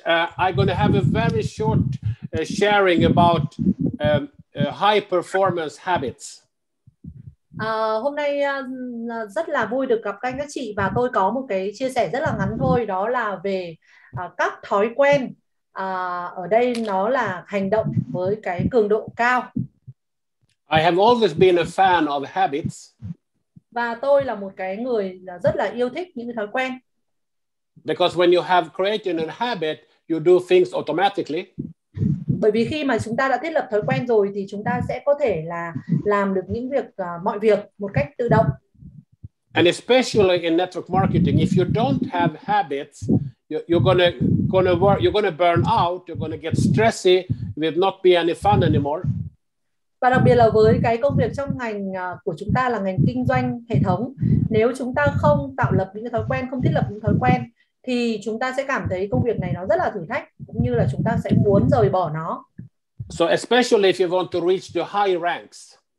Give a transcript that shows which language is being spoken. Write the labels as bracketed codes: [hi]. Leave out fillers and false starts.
[en] I'm going to have a very short sharing about high performance habits. [vi] Hôm nay rất là vui được gặp các chị và tôi có một cái chia sẻ rất là ngắn thôi, đó là về các thói quen. Ở đây nó là hành động với cái cường độ cao. [en] I have always been a fan of habits. [vi] Và tôi là một cái người rất là yêu thích những thói quen. [en] Because when you have created a habit, you do things automatically. [vi] Bởi vì khi mà chúng ta đã thiết lập thói quen rồi thì chúng ta sẽ có thể là làm được những việc mọi việc một cách tự động. [en] And especially in network marketing, if you don't have habits, you're gonna burn out, you're gonna get stressy, will not be any fun anymore. [vi] Và đặc biệt là với cái công việc trong ngành của chúng ta là ngành kinh doanh hệ thống, nếu chúng ta không tạo lập những thói quen, không thiết lập những thói quen thì chúng ta sẽ cảm thấy công việc này nó rất là thử thách, cũng như là chúng ta sẽ muốn rời bỏ nó. [en] So especially if you want to reach the high ranks.